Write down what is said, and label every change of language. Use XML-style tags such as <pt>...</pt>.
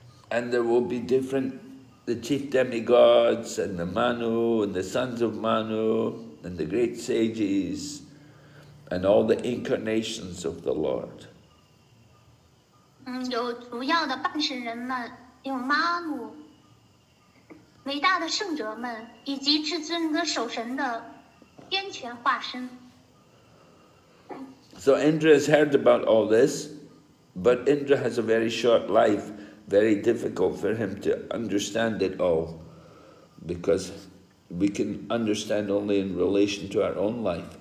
<en>And there will be different, the chief demigods and the Manu and the sons of Manu and the great sages and all the incarnations of the Lord.</en> <zh>有主要的半神人们，有妈祖，伟大的圣者们，以及至尊的守神的天权化身。</zh> <en>So Indra has heard about all this, but Indra has a very short life, very difficult for him to understand it all, because we can understand only in relation to our own life.</en>